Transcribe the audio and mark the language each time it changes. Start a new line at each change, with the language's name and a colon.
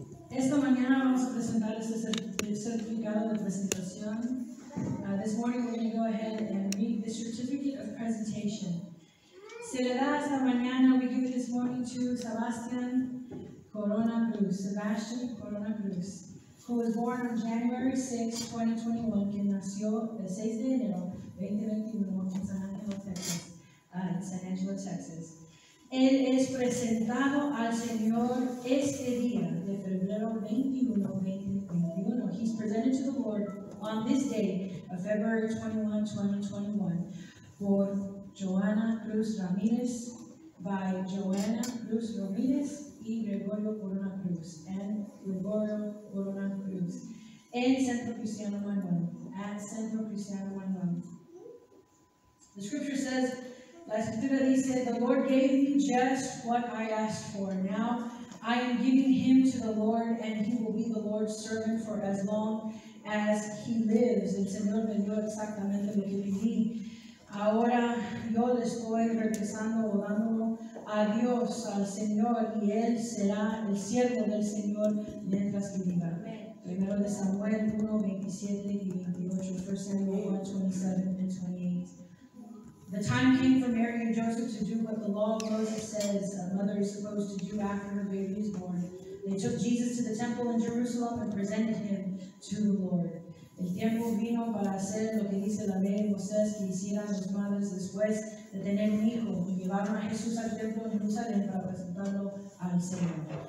Spanish: Esta mañana vamos a presentarles el certificado de presentación.
English: This morning we're going to go ahead and read the certificate of presentation.
Spanish: Se le da esta mañana,
English: we give this morning to Sebastian Corona Cruz.
Spanish: Sebastian Corona Cruz,
English: who was born on January 6, 2021,
Spanish: quien nació el 6 de enero 2021 en San Angelo, Texas. Él es presentado al Señor este día de febrero 21, 2021.
English: He's presented to the Lord on this day of February 21, 2021 por Joanna Cruz Ramirez, by Joanna Cruz Ramirez y Gregorio Corona Cruz, and Gregorio Corona Cruz en Centro Cristiano Manuel, at Centro Cristiano Manuel. The scripture says,
Spanish: La Escritura dice,
English: the Lord gave me just what I asked for. Now I am giving him to the Lord, and he will be the Lord's servant for as long as he lives.
Spanish: El Señor me dio exactamente lo que pedí. Ahora yo le estoy regresando o dándolo a Dios, al Señor, y él será el siervo del Señor mientras que viva. Primero de Samuel 1, 27 y 28,
English: 1 Samuel 1, 27 and 28. The time came for Mary and Joseph to do what the law of Moses says a mother is supposed to do after her baby is born. They took Jesus to the temple in Jerusalem and presented him to the Lord.
Spanish: El tiempo vino para hacer lo que dice la ley de Moisés que hicieran sus madres después de tener un hijo. Y llevaron a Jesús al templo en Jerusalén para presentarlo al Señor.